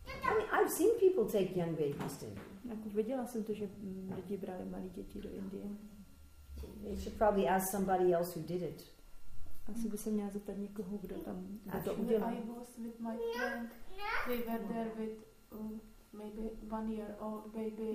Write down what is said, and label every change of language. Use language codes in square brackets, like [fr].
[en] I mean, I've seen people take young babies to India. [cs] Viděla jsem to, že lidi brali malé děti do Indie. [en] You should probably ask somebody else who did it. [cs] Asi by se měla zeptat někoho, kdo tam to udělal. [en] Actually, I was with my friend. They were there with maybe 1 year old baby.